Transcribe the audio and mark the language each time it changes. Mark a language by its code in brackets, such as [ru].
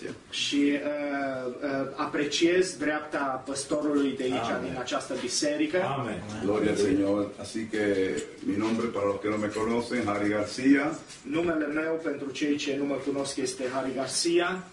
[ro] Și apreciez dreapta pastorului de aici. Amen. Din această biserică. Amen. [es] Gloria al Señor. Así que mi nombre para los que no me conocen, Harry García. [ro] Numele meu pentru cei ce nu mă cunosc este Harry García.